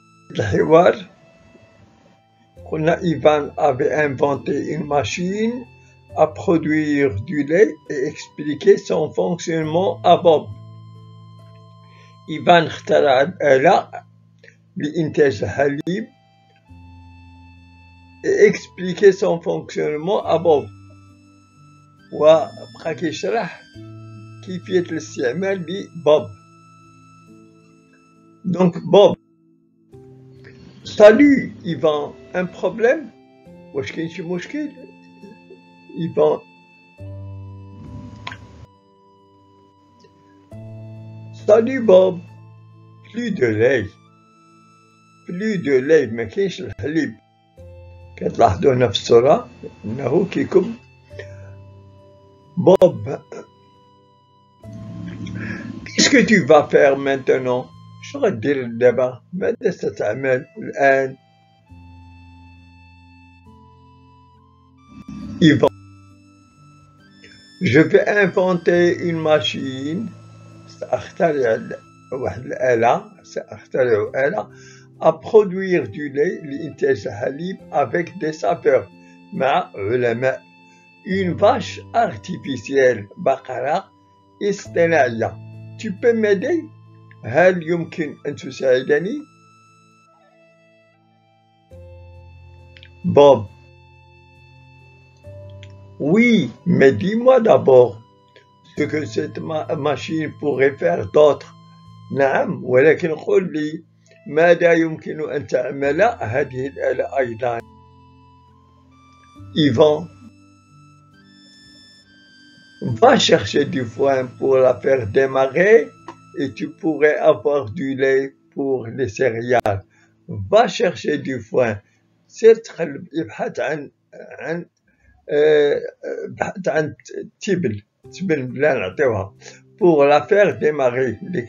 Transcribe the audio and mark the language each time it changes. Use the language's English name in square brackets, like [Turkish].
[Arabic] الحوار قلنا إيفان [French] avait inventé une machine à produire du lait et expliqué son fonctionnement à Bob. [Arabic] إيفان اخترع الآلة لإنتاج الحليب [French] et expliqué son fonctionnement à Bob. [Arabic] وبقى كيشرح كيفية الاستعمال لبوب. [French] Donc Bob. Salut, Ivan. Un problème? [Arabic] واش كاين شي مشكل؟ Ivan. [French] Salut, Bob. Plus de lait. Plus de lait. [Arabic] ما كاينش الحليب. كتلاحظوا هنا في الصورة أنه كيكون. Bob. [French] Qu'est-ce que tu vas faire maintenant? [Arabic] شو غدير دابا؟ ماذا ستعمل الآن؟ إيفان. [French] Je vais inventer une machine. [Arabic] سأخترع واحد الآلة. سأخترع آلة. [French] À produire du lait [Arabic] لإنتاج الحليب [French] avec des saveurs. [Arabic] مع علماء. [French] Une vache artificielle. [Arabic] بقرة اصطناعية. [French] Tu peux m'aider? [Arabic] هل يمكن أن تساعدني؟ بوب. [French] Oui, mais dis-moi d'abord ce que cette machine pourrait faire d'autre. [Arabic] نعم، ولكن قل لي ماذا يمكن أن تعمل هذه الآلة أيضا؟ إيفان. [French] Va chercher du foin pour la faire démarrer. Et tu pourrais avoir du lait pour les céréales. Va chercher du foin. C'est très important pour la faire démarrer.